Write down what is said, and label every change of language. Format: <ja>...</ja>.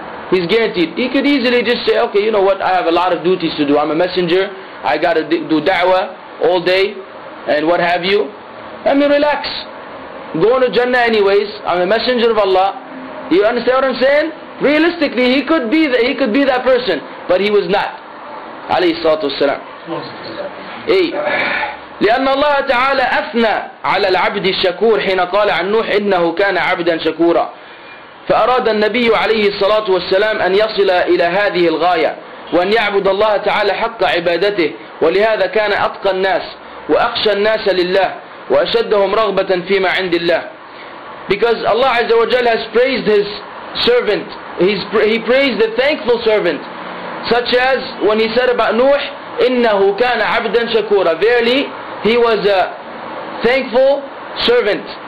<en>He's guaranteed. He could easily just say, okay, you know what? I have a lot of duties to do. I'm a messenger. I got to do da'wah all day and what have you. Let me relax. Go to Jannah anyways. I'm a messenger of Allah. You understand what I'm saying? Realistically, he could be that person. But he was not.</en> <ar>عليه الصلاة والسلام. إيه. لأن الله تعالى أثنى على العبد الشكور حين قال عن نوح إنه كان عبدا شكورا. فأراد النبي عليه الصلاة والسلام أن يصل إلى هذه الغاية وأن يعبد الله تعالى حق عبادته. ولهذا كان أتقى الناس وأخشى الناس لله وأشدهم رغبة فيما عند الله.</ar> <en>Because Allah عز وجل has praised his servant. He praised the thankful servant. Such as when he said about Nuh,</en> <ar>إِنَّهُ كَانَ عَبْدًا شَكُورًا.</ar> <en>Verily, he was a thankful servant.</en>